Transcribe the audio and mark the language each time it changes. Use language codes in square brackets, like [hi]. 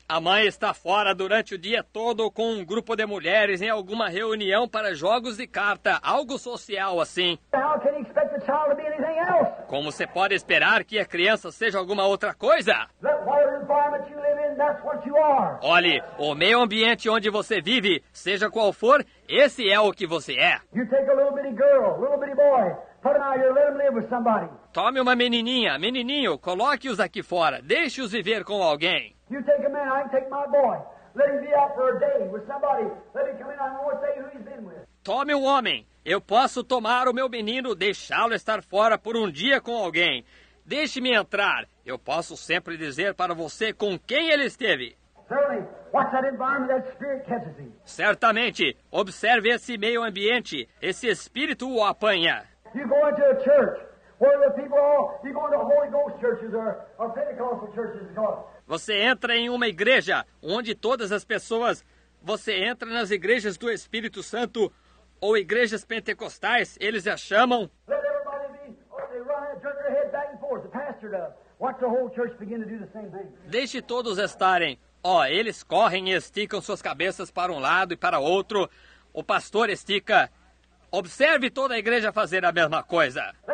[pt] A mãe está fora durante o dia todo com um grupo de mulheres em alguma reunião para jogos de carta, algo social assim. [en] How can you expect the child to be anything else? [pt] Como você pode esperar que a criança seja alguma outra coisa? [en] The environment you live in, that's what you are. [pt] Olhe, o meio ambiente onde você vive, seja qual for, esse é o que você é. [en] You take a little bitty girl, little bitty boy. Put them out here, let them live with somebody. [pt] Tome uma menininha, menininho, coloque-os aqui fora, deixe-os viver com alguém. [en] You take a man, I take my boy. Let him be out for a day with somebody. Let him come in, I won't tell you who he's been with. [pt] Tome um homem, eu posso tomar o meu menino, deixá-lo estar fora por um dia com alguém. Deixe-me entrar, eu posso sempre dizer para você com quem ele esteve. [en] Watch that environment, that spirit catches him. [pt] Certamente, observe esse meio ambiente, esse espírito o apanha. [en] You go into a church where the people are. You go into Holy Ghost churches or Pentecostal churches. [pt] Você entra em uma igreja onde todas as pessoas. Você entra nas igrejas do Espírito Santo ou igrejas pentecostais. Eles a chamam. [en] Let everybody be. Or they run and jerk their head back and forth. The pastor does. Watch the whole church begin to do the same thing. [pt] Deixe todos estarem. Ó, eles correm e esticam suas cabeças para um lado e para outro. O pastor estica. Observe toda a igreja fazer a mesma coisa.